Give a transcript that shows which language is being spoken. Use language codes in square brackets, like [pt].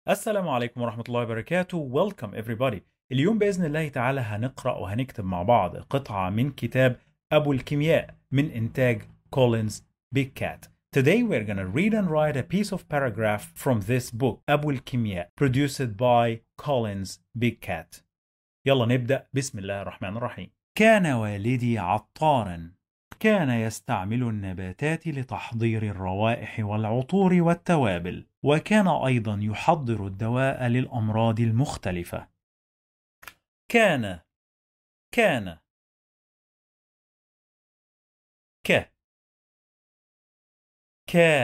[ar] السلام عليكم ورحمة الله وبركاته. [en] Welcome everybody. [ar] اليوم بإذن الله تعالى هنقرأ وهنكتب مع بعض قطعة من كتاب أبو الكيمياء من إنتاج كولينز بيك كات. [en] Today we're gonna read and write a piece of paragraph from this book, أبو الكيمياء, produced by Collins Big Cat. [ar] يلا نبدأ. بسم الله الرحمن الرحيم. كان والدي عطارا. كان يستعمل النباتات لتحضير الروائح والعطور والتوابل، وكان أيضا يحضر الدواء للأمراض المختلفة. كان ك ك ك